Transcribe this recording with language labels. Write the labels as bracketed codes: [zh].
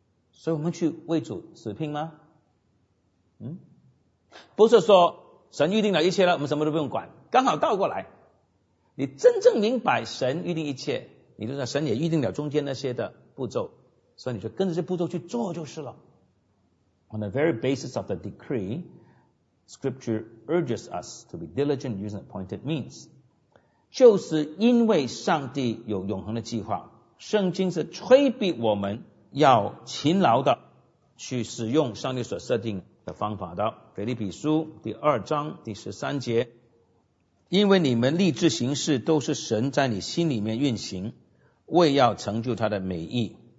[zh] 所以我们去为主死拼吗？不是说神预定了一切了，我们什么都不用管，刚好倒过来。你真正明白神预定一切，你就知道神也预定了中间那些的步骤，所以你就跟着这步骤去做就是了。 [en] On the very basis of the decree, Scripture urges us to be diligent using appointed means. [zh] 就是因为上帝有永恒的计划，圣经是催逼我们要勤劳的去使用上帝所设定的方法的。腓立比书第二章第十三节，因为你们立志行事都是神在你心里面运行，为要成就他的美意。